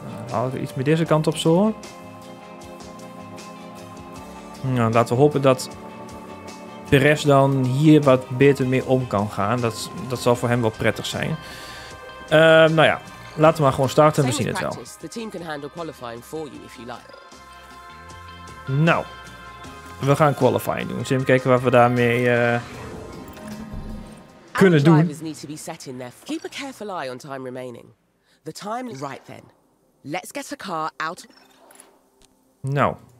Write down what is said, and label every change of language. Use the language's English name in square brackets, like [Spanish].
[Dutch] Haal ik iets meer deze kant op zo. Nou, laten we hopen dat Perez dan hier wat beter mee om kan gaan. Dat zal voor hem wel prettig zijn. Nou ja. Laten we maar gewoon starten en we zien het wel. [English] The team can handle qualifying for you if you like. [Dutch] Nou, we gaan qualifying doen. Zullen we kijken wat we daarmee kunnen doen. [English] Drivers need to be set in there. Keep a careful eye on time remaining. The time right then. Let's get a car out. Nou.